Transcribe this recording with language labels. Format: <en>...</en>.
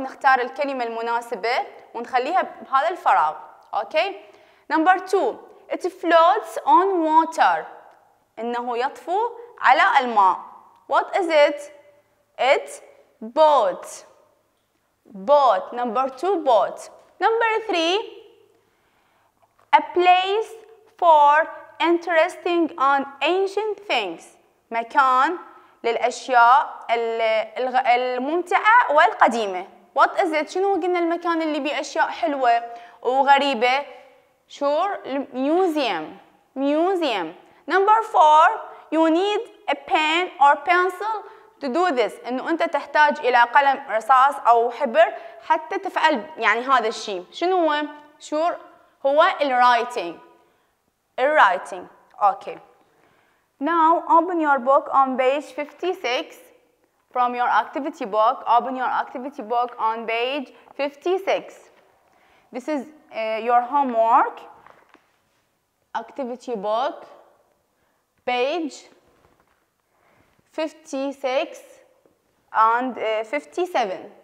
<ar>نختار الكلمة المناسبة ونخليها بهذا الفراغ.</ar> <en>Okay. Number two, it floats on water.</en> <ar>إنه يطفو على الماء.</ar> <en>What is it? it bought. Bought. Number two, bought. Number three, a place for interesting on ancient things.</en> <ar>مكان للأشياء الممتعة والقديمة.</ar> <en>What is it?</en> <ar>شنو قلنا المكان اللي بيه أشياء حلوة وغريبة؟</ar> <en>Sure, museum. Museum. Number four, you need a pen or pencil to do this.</en> <ar>إنه أنت تحتاج إلى قلم رصاص أو حبر حتى تفعل يعني هذا الشيء. شنو هو؟ Sure, هو الرايتنج. الرايتنج. Okay.</ar> <en>Now open your book on page 56 from your activity book. Open your activity book on page 56. This is your homework. Activity book, page 56 and 57.</en>